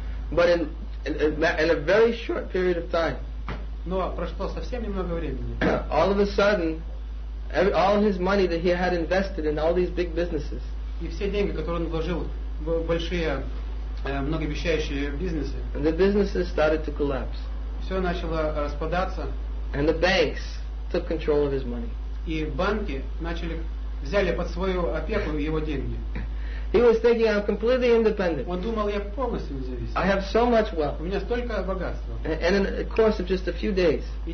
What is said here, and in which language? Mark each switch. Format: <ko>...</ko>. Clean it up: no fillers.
<en>But in a very short period of time.</en> <ru>Но прошло совсем немного времени.</ru> <en>All of a sudden, all his money that he had invested in all these big businesses.</en> <ru>И все деньги, которые он вложил в большие, многообещающие бизнесы.</ru> <en>And the businesses started to collapse.</en> <ru>Все начало распадаться.</ru> <en>And the banks took control of his money.</en> <ru>И банки взяли под свою опеку его деньги.</ru> <en>He was thinking, "I'm completely independent."</en> <ru>Он думал, я полностью независим.</ru> <en>I have so much wealth.</en> <ru>У меня столько богатства.</ru> <en>And in the course of just a few days.</en>